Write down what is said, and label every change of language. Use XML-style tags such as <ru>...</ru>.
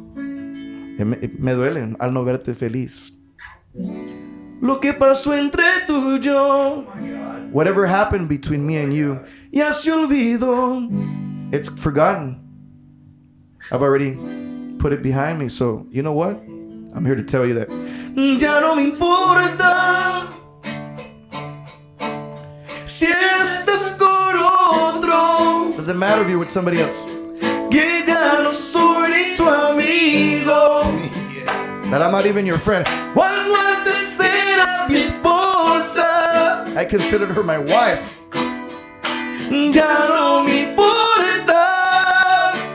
<es>Me duele al no verte feliz. Lo que pasó entre tú y yo.</es> <en>Whatever happened between me and you,</en> <es>ya se olvidó.</es> <en>It's forgotten. I've already put it behind me, so you know what? I'm here to tell you that.</en> <es>Ya no me importa si estás con otro.</es> <en>Does it matter if you're with somebody else?</en> <es>Que ya no soy ni tu amigo.</es> <en>That I'm not even your friend.</en> <es>Cuando antes eras mi esposa.</es> <en>I considered her my wife.</en> <es>Ya no me importa.</es>